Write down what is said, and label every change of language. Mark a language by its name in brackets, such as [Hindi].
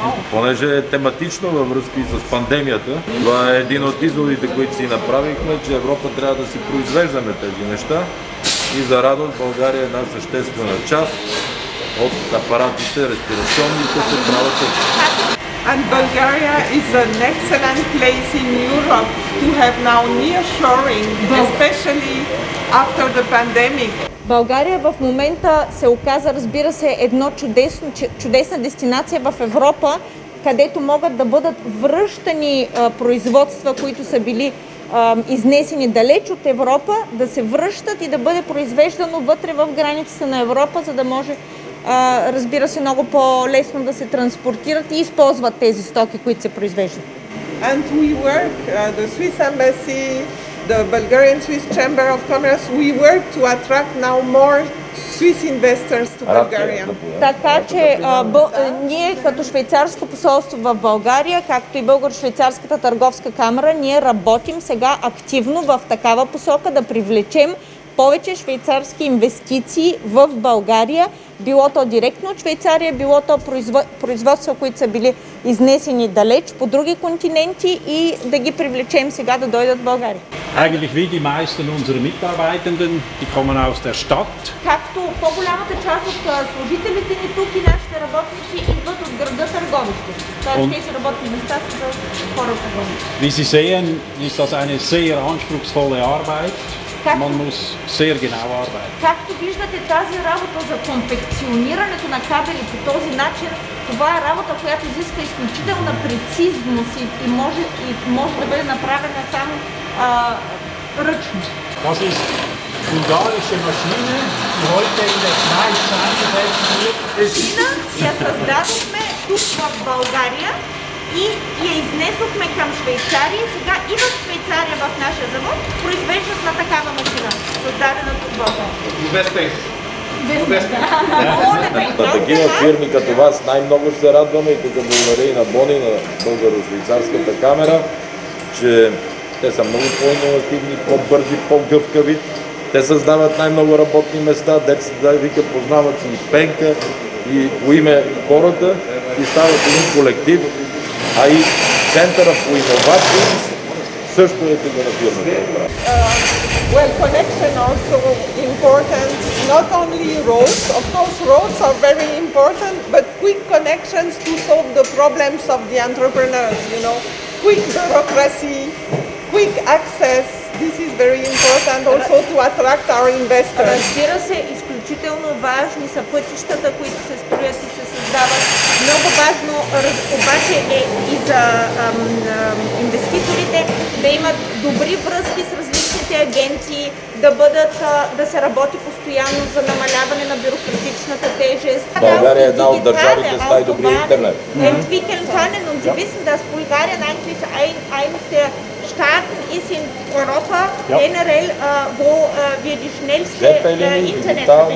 [Bulgarian] Понеже е тематично във връзка и с пандемията, това е един от изводите, които си направихме, че Европа трябва да си произвеждаме тези неща. И за радост България е една съществена част от апаратите, респирационните се правят. [English] And Bulgaria is an excellent place in Europe to have now nearshoring, especially after the pandemic. [Bulgarian] България в момента се оказа, разбира се, едно чудесна дестинация в Европа, където могат да бъдат връщани производства, които са били изнесени далеч от Европа, да се връщат и да бъде произвеждано вътре в границата на Европа, за да може, разбира се, много по-лесно да се транспортират и използват тези стоки, които се произвеждат. [English] And we work, the Swiss Embassy, the Bulgarian Swiss Chamber of Commerce, we work to attract now more Swiss investors to Bulgaria. [Bulgarian] Така че ние като швейцарско посолство в България, както и българо-швейцарската търговска камера, ние работим сега активно в такава посока да привлечем повече швейцарски инвестиции в България, било то директно от Швейцария, било то производства, които са били изнесени далеч по други континенти и да ги привлечем сега да дойдат в България. [German] Eigentlich wie die meisten unserer Mitarbeitenden, die kommen aus der Stadt. [Bulgarian] Както по-голямата част от служителите ни тук и нашите работници идват от града Търговище. Тоест, тези работни места са за хора в Търговище. [German] Wie Sie sehen, ist das eine sehr anspruchsvolle Arbeit. Man muss sehr genau arbeiten. [Bulgarian] Както виждате, тази работа за конфекционирането на кабели по този начин, това е работа, която изисква изключителна прецизност и може да бъде направена само ръчно. [German] Das ist bulgarische Maschine, die heute in der Schweiz eingesetzt wird. [Bulgarian] Я създадохме тук в България и я изнесохме към Швейцария. Сега и в Швейцария в нашия завод произвеждат на такава машина, създадена от България. Без тези. Да. На такива фирми като вас най-много се радваме и тук благодаря и на Бони, на българо-швейцарската камера, че те са много по-инновативни, по-бързи, по-гъвкави. Те създават най-много работни места, децата да викат, познават и Пенка, и по име хората, и стават един колектив, а и центъра по иновации също е тук на фирмата. [English] Well, connection also important, not only roads, of course roads are very important, but quick connections to solve the problems of the entrepreneurs, you know, quick bureaucracy, quick access, this is very important also to attract our investors. [Bulgarian] Разбира се, изключително важни са пътищата, които се строят и се създават. Много важно обаче е и за инвеститорите да имат добри връзки с различните агенции, да се работи постоянно за намаляване на бюрократичната тежест. България е една от държавите с най-добри интернет. [English] And we can tunnel [German] und Sie wissen, dass Bulgarien eigentlich eines der Staaten ist in Europa generell, wo wir die schnellste Internet.